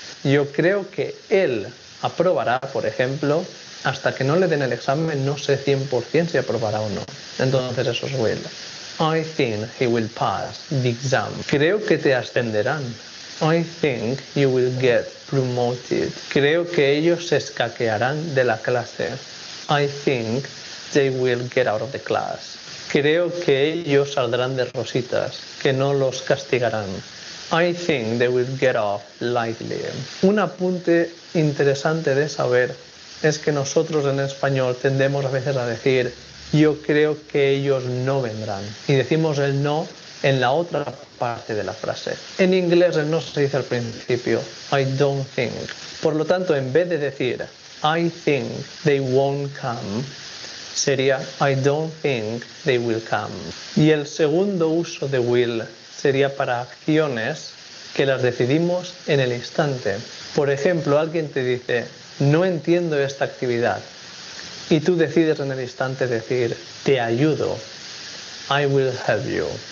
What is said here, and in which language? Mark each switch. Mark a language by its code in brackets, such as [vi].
[es] Yo creo que él aprobará, por ejemplo, hasta que no le den el examen, no sé 100% si aprobará o no. Entonces eso es [en] will. I think he will pass the exam. [es] Creo que te ascenderán. [en] I think you will get promoted. [es] Creo que ellos se escaquearán de la clase. [en] I think they will get out of the class. [es] Creo que ellos saldrán de rositas, que no los castigarán. [en] I think they will get off lightly. [es] Un apunte interesante de saber es que nosotros en español tendemos a veces a decir yo creo que ellos no vendrán. Y decimos el no en la otra parte de la frase. En inglés el no se dice al principio, [en] I don't think. [es] Por lo tanto, en vez de decir, [en] I think they won't come, [es] sería, [en] I don't think they will come. [es] Y el segundo uso de will sería para acciones que las decidimos en el instante. Por ejemplo, alguien te dice, no entiendo esta actividad. Y tú decides en el instante decir, te ayudo, [en] I will help you.